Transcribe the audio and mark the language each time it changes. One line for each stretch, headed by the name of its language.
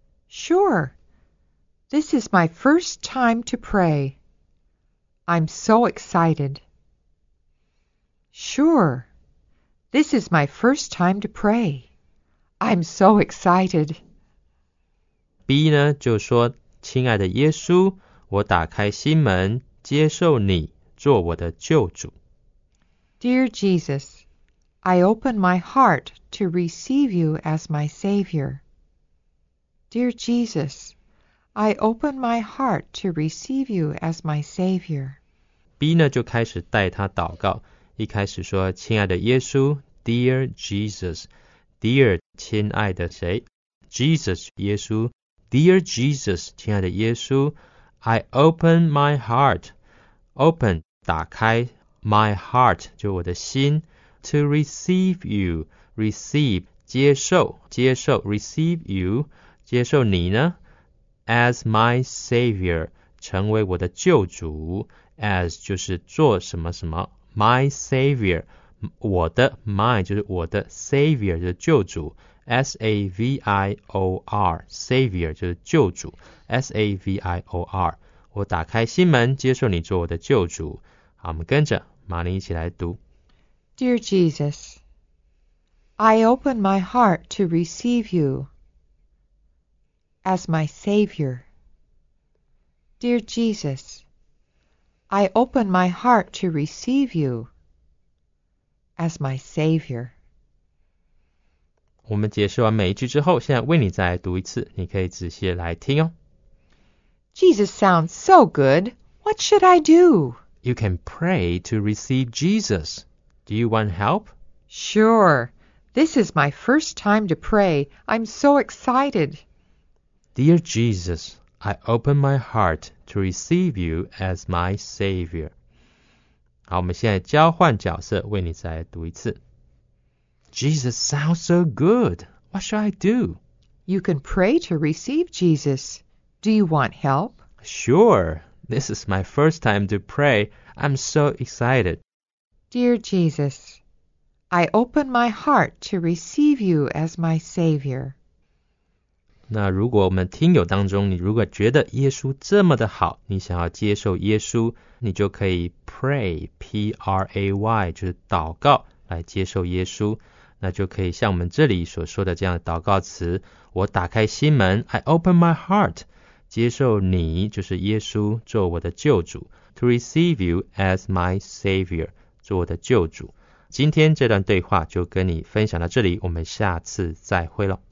English: Sure, this is my first time to pray. I'm so excited. Sure. This is my first time to pray. I'm so excited.
Chinese: B 呢就说，亲爱的耶稣，我打开心门，接受你做我的救主。
English: Dear Jesus, I open my heart to receive you as my Savior. Dear Jesus, I open my heart to receive you as my Savior.
Chinese: B 呢就开始带他祷告，一开始说，亲爱的耶稣 ，
English: Dear Jesus, Dear
Chinese: 亲爱的谁 ？Jesus 耶稣。
English: Dear Jesus,
Chinese: 亲爱的耶稣
English: I open my heart, open,
Chinese: 打开
English: my heart,
Chinese: 就我的心
English: to receive you, receive,
Chinese: 接受接受
English: receive you,
Chinese: 接受你呢
English: as my savior,
Chinese: 成为我的救主
English: as
Chinese: 就是做什么什么
English: my savior,
Chinese: 我的
English: my
Chinese: 就是我的
English: savior,
Chinese: 就是救主
English: S-A-V-I-O-R
Chinese: Savior 就是救主 S-A-V-I-O-R 我打开心门接受你做我的救主好我们跟着玛丽一起来读
English: Dear Jesus I open my heart to receive you as my Savior Dear Jesus I open my heart to receive you as my Savior
Chinese: 我们解释完每一句之后，现在为你再来读一次，你可以仔细来听哦。
English: Jesus sounds so good. What should I do? You can pray to receive Jesus. Do you want help? Sure. This is my first time to pray. I'm so excited. Dear Jesus, I open my heart to receive you as my Savior.
Chinese: 好，我们现在交换角色，为你再来读一次。
English: Jesus sounds so good. What should I do? You can pray to receive Jesus. Do you want help? Sure. This is my first time to pray. I'm so excited. Dear Jesus, I open my heart to receive you as my Savior.
Chinese: 那如果我们听友当中，你如果觉得耶稣这么的好，你想要接受耶稣，你就可以 pray, P-R-A-Y, 就是祷告来接受耶稣。那就可以像我们这里所说的这样的祷告词我打开心门
English: I open my heart
Chinese: 接受你就是耶稣做我的救主
English: To receive you as my savior
Chinese: 做我的救主今天这段对话就跟你分享到这里我们下次再会了